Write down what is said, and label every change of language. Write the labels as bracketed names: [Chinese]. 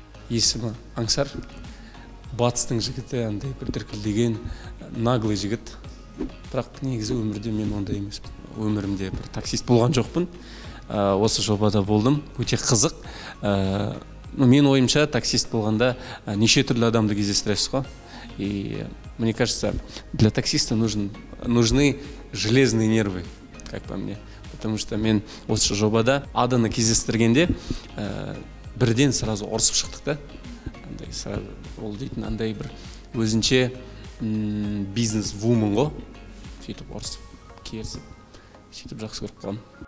[Kazakh] Есімі Аңсар, батыстың жігіті, андай бір дүркілдеген наглый жігіт. Бірақ негізі өмірде мен ондай емеспін. Өмірімде бір таксист болған жоқпын. Осы жобада болдым, өте қызық. Мен ойымша таксист болғанда неше түрлі адамды кездестіресіз ғой. [Russian] И мне кажется, для таксиста нужны железные нервы, как по мне. Потому что [Kazakh] мен осы жобада аданы кездестіргенде бірден сразу орысып шықтық та. Андай сразу ол дейтін андай бір өзінше бизнес вумен ғой. Сөйтіп орысып керісіп, сөйтіп жақсы көріп қалдым.